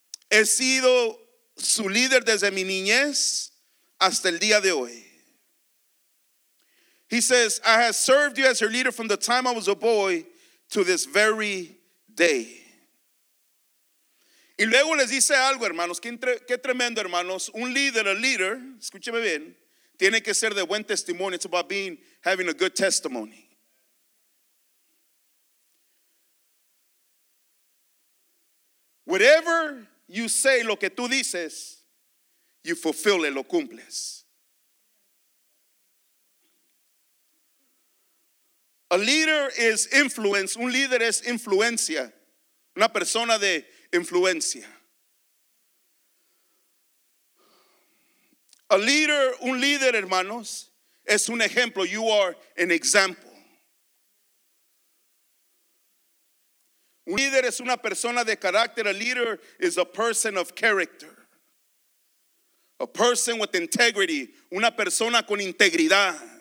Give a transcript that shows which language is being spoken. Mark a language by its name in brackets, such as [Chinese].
[Spanish] He sido su líder desde mi niñez hasta el día de hoy. [English] He says, I have served you as your leader from the time I was a boy to this very day. [Spanish] Y luego les dice algo, hermanos, qué tremendo, hermanos. Un líder, [English] a leader, [Spanish] escúcheme bien, tiene que ser de buen testimonio. [English] It's about having a good testimony. Whatever you say, [Spanish] lo que tú dices, [English] you fulfill it, [Spanish] lo cumples. [English] A leader is influence. [Spanish] Un líder es influencia. Una persona de influencia. [English] A leader, [Spanish] un líder, hermanos, es un ejemplo. [English] You are an example. [Spanish] Un líder es una persona de carácter. [English] A leader is a person of character. A person with integrity. [Spanish] Una persona con integridad.